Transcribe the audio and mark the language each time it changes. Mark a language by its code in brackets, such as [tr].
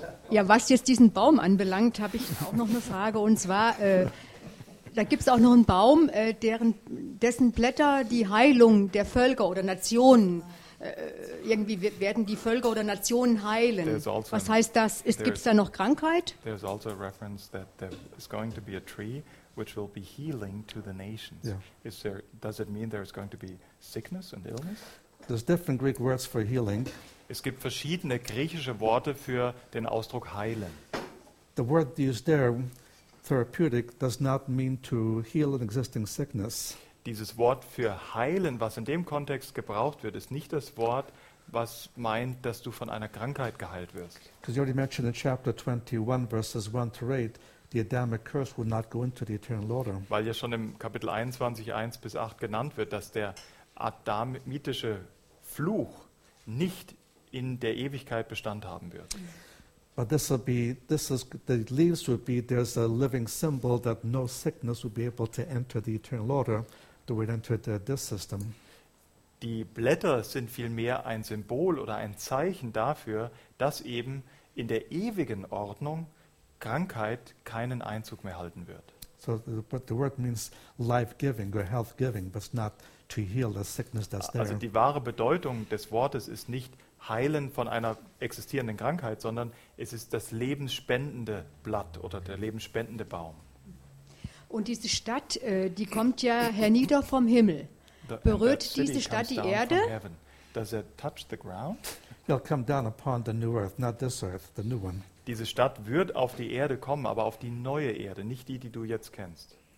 [de] Ja, was jetzt diesen Baum anbelangt, habe ich auch noch eine Frage. Und zwar, da gibt es auch noch einen Baum, dessen Blätter die Heilung der Völker oder Nationen, irgendwie werden die Völker oder Nationen heilen. Was heißt das? Gibt es da noch Krankheit? [en] There's also a reference that there is going to be a tree which will be healing to the nations. Yeah. Does it mean there is going to be sickness and illness? There's different Greek words for healing. [de] Es gibt verschiedene griechische Worte für den Ausdruck heilen. [en] The word used there, therapeutic, does not mean to heal an existing sickness. [de] Dieses Wort für heilen, was in dem Kontext gebraucht wird, ist nicht das Wort, was meint, dass du von einer Krankheit geheilt wirst. [en] Because you already mentioned in chapter 21, verses 1 to 8, the Adamic curse would not go into the eternal order. [de] Weil ja schon im Kapitel 21, 1 bis 8 genannt wird, dass der adamitische Fluch nicht in der Ewigkeit Bestand haben wird. [en] But the leaves would be, there's a living symbol that no sickness would be able to enter the eternal order, to enter this system. [de] Die Blätter sind vielmehr ein Symbol oder ein Zeichen dafür, dass eben in der ewigen Ordnung Krankheit keinen Einzug mehr halten wird. [en] So the word means life-giving or health-giving, but not to heal the sickness that's there. [de] Also die wahre Bedeutung des Wortes ist nicht heilen von einer existierenden Krankheit, sondern es ist das lebensspendende Blatt oder der lebensspendende Baum. Und diese Stadt, die kommt ja hernieder vom Himmel. Berührt diese Stadt die Erde? [en] Does it touch the ground? It'll come down upon the new earth, not this earth, the new one. [de] Diese Stadt wird auf die Erde kommen, aber auf die neue Erde, nicht die, die du jetzt kennst.